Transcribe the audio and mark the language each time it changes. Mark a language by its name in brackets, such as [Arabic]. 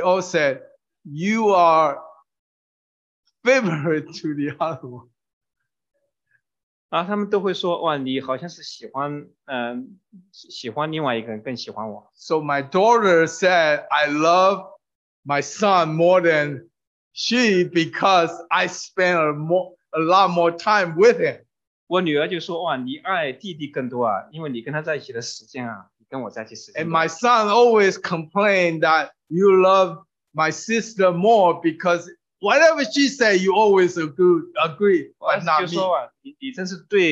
[English] all said, you are favorite to the other one. [Chinese] 然后他们都会说，哇，你好像是喜欢另外一个人更喜欢我。 [English] So my daughter said, I love my son more than she because I spend a lot more time with him. [Chinese] 我女儿就说，哇，你爱弟弟更多啊，因为你跟他在一起的时间啊，比跟我在一起时间。 [English] And my son always complained that you love my sister more because whatever she said, you always agree, but not me.